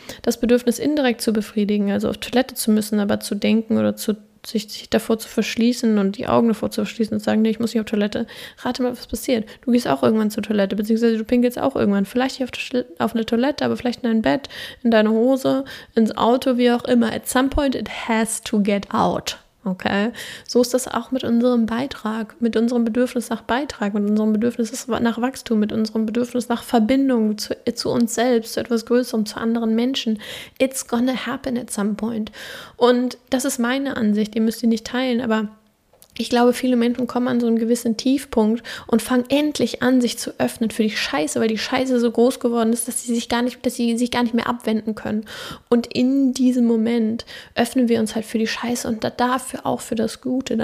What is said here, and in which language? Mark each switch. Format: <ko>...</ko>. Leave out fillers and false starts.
<de>Das Bedürfnis indirekt zu befriedigen, also auf Toilette zu müssen, aber zu denken oder sich davor zu verschließen und die Augen davor zu verschließen und sagen, nee, ich muss nicht auf Toilette. Rate mal, was passiert. Du gehst auch irgendwann zur Toilette, beziehungsweise du pinkelst auch irgendwann. Vielleicht nicht auf eine Toilette, aber vielleicht in dein Bett, in deine Hose, ins Auto, wie auch immer.</de> <en>At some point it has to get out. Okay?</en> <de>So ist das auch mit unserem Beitrag, mit unserem Bedürfnis nach Beitrag, mit unserem Bedürfnis nach Wachstum, mit unserem Bedürfnis nach Verbindung zu uns selbst, zu etwas Größerem, zu anderen Menschen.</de> <en>It's gonna happen at some point.</en> <de>Und das ist meine Ansicht, ihr müsst ihr nicht teilen, aber ich glaube, viele Menschen kommen an so einen gewissen Tiefpunkt und fangen endlich an, sich zu öffnen für die Scheiße, weil die Scheiße so groß geworden ist, dass sie sich gar nicht mehr abwenden können. Und in diesem Moment öffnen wir uns halt für die Scheiße und dafür auch für das Gute.</de>